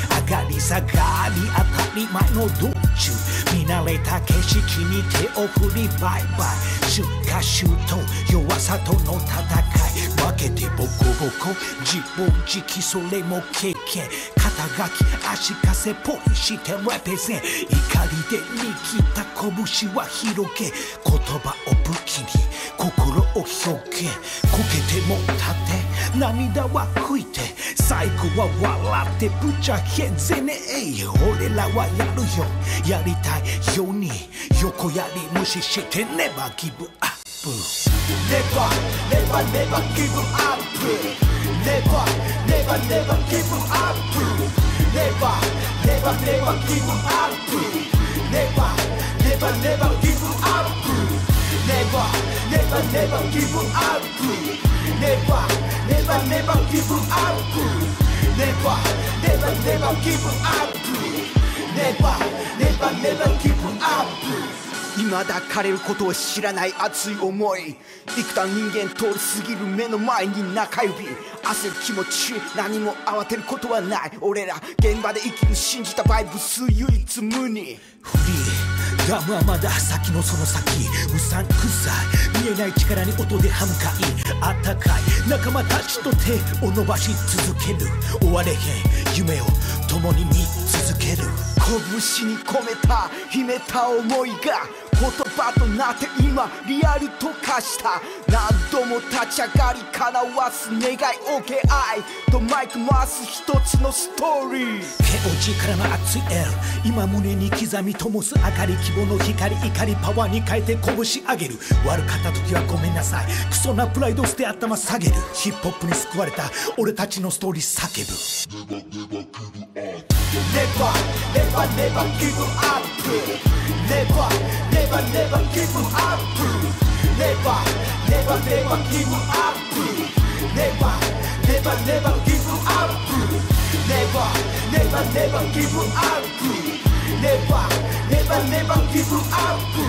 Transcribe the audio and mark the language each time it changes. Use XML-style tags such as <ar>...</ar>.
<ja>上がり下がり当たり前の道中見慣れた景色に手を振りバイバイ出荷シュート弱さとの戦い負けてボコボコ自暴自棄それも経験肩書き足かせポイしてレペゼン怒りで握った拳は広げ言葉を武器に心を表現こけても立て涙は拭いて最後は笑ってぶっちゃけゼネエイ俺らはやるよやりたいように横やり無視してネバーギブアップ</ja> <en>Never, never, never give up. Never, never, never give up. Never, never, never give up. Never, never, never give up. Never, never, never give up. Never, never, never give up. Never, never, never give up. Never, never, never give up.</en> <ja>未だ枯れることを知らない熱い思い幾多人間通り過ぎる目の前に中指焦る気持ち何も慌てることはない俺ら現場で生きる信じたバイブス唯一無二フリーダムはまだ先のその先うさんくさい見えない力に音で歯向かいあったかい仲間たちと手を伸ばし続ける終われへん夢を共に見続ける拳に込めた秘めた思いが言葉となって今リアルと化した何度も立ち上がり叶わす願い OK I とマイク回す一つのストーリー KOG からの熱い L 今胸に刻み灯す明かり希望の光怒りパワーに変えて拳上げる悪かった時はごめんなさいクソなプライド捨て頭下げるヒップホップに救われた俺たちのストーリー叫ぶ</ja> <en>NeverNever, never give up. Never, never, never give up. Never, never, never give up. Never, never, never give up. Never, never, never give up. Never, never, never give up.</en>